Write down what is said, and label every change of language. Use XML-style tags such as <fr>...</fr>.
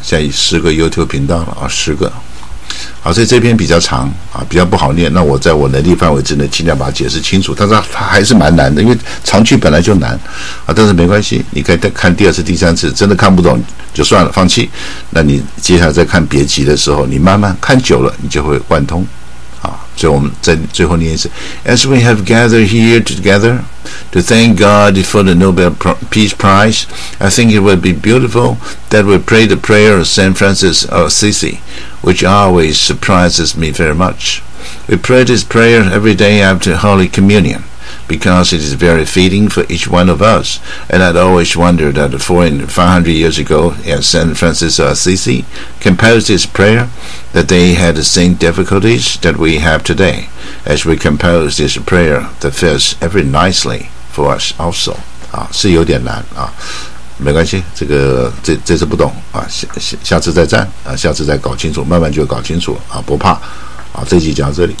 <zh>现在十个 YouTube 频道了啊，十个。好，所以这篇比较长啊，比较不好念，那我在我能力范围之内尽量把它解释清楚，但是它还是蛮难的，因为长句本来就难啊。但是没关系，你可以再看第二次第三次，真的看不懂就算了，放弃，那你接下来再看别集的时候，你慢慢看久了你就会贯通啊。所以我们在最后念一次</zh> <en>As we have gathered here together to thank God for the Nobel Peace Prize, I think it would be beautiful that we pray the prayer of St. Francis of Assisi, which always surprises me very much. We pray this prayer every day after Holy Communion because it is very fitting for each one of us. And I'd always wonder that 400-500 years ago, St. Francis of Assisi composed this prayer, that they had the same difficulties that we have today. As we compose this prayer, that fits every nicely for us also.</en> <zh>啊，是有点难啊，没关系，这个这次不懂啊，下次再战啊，下次再搞清楚，慢慢就搞清楚啊，不怕啊。这集讲到这里。</zh>